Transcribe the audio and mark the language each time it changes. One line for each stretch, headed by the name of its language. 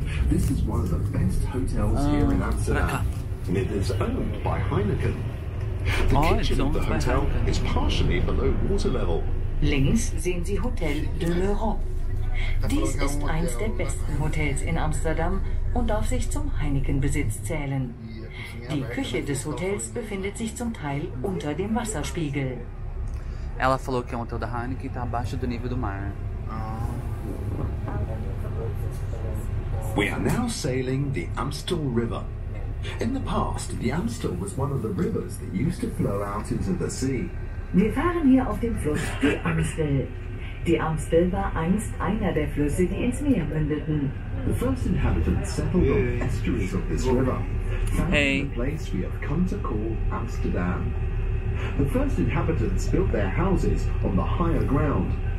English: This is one of the best hotels here in Amsterdam, and it is owned by Heineken. The kitchen of the hotel is partially below water level.
German: Links sehen Sie Hotel de l'Europe. Dies ist eins der besten Hotels in Amsterdam und darf sich zum Heineken-Besitz zählen. Die Küche des Hotels befindet sich zum Teil unter dem Wasserspiegel.
Portuguese: Ela falou que é um hotel da Heineken, está abaixo do nível do mar.
English: We are now sailing the Amstel River. In the past, the Amstel was one of the rivers that used to flow out into the sea.
German: Wir fahren hier auf dem Fluss die Amstel. Die Amstel war einst einer der Flüsse, die ins Meer mündeten.
English: The first inhabitants settled on the estuaries of this river, founding the place we have come to call Amsterdam. The first inhabitants built their houses on the higher ground.